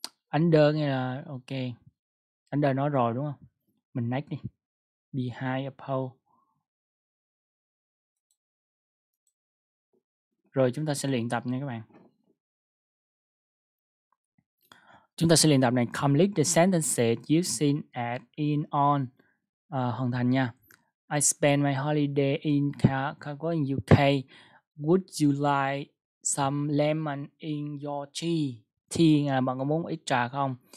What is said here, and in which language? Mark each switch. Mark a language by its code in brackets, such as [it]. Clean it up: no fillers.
[vi] Under nghĩa là ok. Under nói rồi đúng không? Mình next đi. [en] Behind, above. [vi] Rồi chúng ta sẽ luyện tập nha các bạn. Chúng ta sẽ luyện tập này. [en] Complete the sentences you've seen at, in, on. [vi] Hoàn thành nha. [en] I spend my holiday in Chicago in UK. Would you like some lemon in your tea? [vi] Tea là bạn có muốn ít trà không?